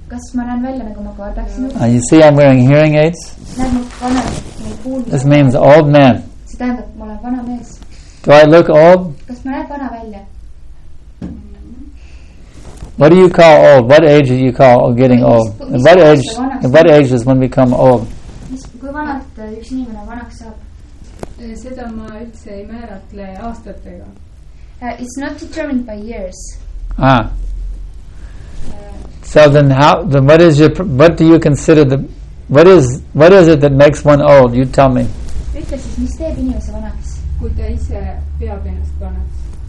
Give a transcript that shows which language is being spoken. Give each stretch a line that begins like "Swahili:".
English: You see, I'm wearing hearing aids. This means old man. Do I look old?
Estonian: Kas ma näen vana välja?
English: What do you call old? What age do you call getting old? What age does one become old?
Estonian: Kui vanalt üks inimene vanaks saab? Seda ma üldse ei määratle aastatega.
English: It's not determined by years. Ah. So then what is it that makes one old? You tell me.
Estonian: Ütle siis, mis teeb inimese vanaks? Kui ta ise peab ennast vanaks.